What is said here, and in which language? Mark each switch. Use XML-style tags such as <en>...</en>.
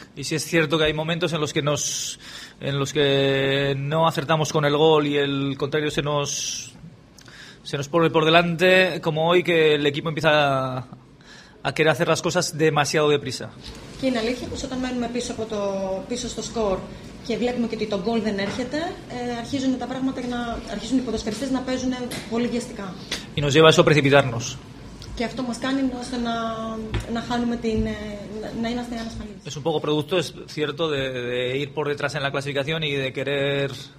<es>Y si es cierto que hay momentos en los que no acertamos con el gol y el contrario se nos pone por delante, como hoy que el equipo empieza a querer hacer las cosas demasiado deprisa.</es> <el>Και είναι αλήθεια πως όταν μένουμε πίσω, από το, πίσω στο σκορ και βλέπουμε και ότι το γκολ δεν έρχεται, αρχίζουν τα πράγματα να, αρχίζουν οι ποδοσφαιριστές να παίζουν πολύ βιαστικά.</el> <es>Y nos lleva eso a precipitarnos.</es> <el>Και αυτό μας κάνει ώστε να, να χάνουμε την. Να είμαστε ανασφαλείς.</el> <es>Es un poco producto, es cierto, de ir por detrás en la clasificación y de querer.</es>